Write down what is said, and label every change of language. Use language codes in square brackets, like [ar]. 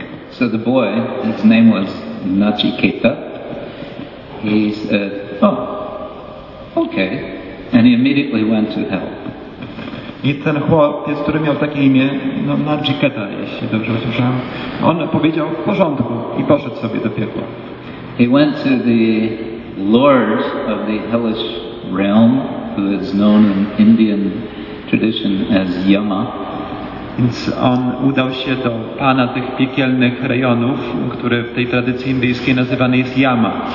[en] So the boy, his name was Nachiketa, he said, oh, okay, and he immediately went to hell. [pl] I ten chłopiec, który miał takie imię, no Nachiketa, jeśli dobrze usłyszałem, on powiedział w porządku i poszedł sobie do piekła. [en] He went to the lord of the hellish realm, who is known in Indian tradition as Yama. [pl] Więc on udał się do pana tych piekielnych rejonów, który w tej tradycji indyjskiej nazywany jest Yama.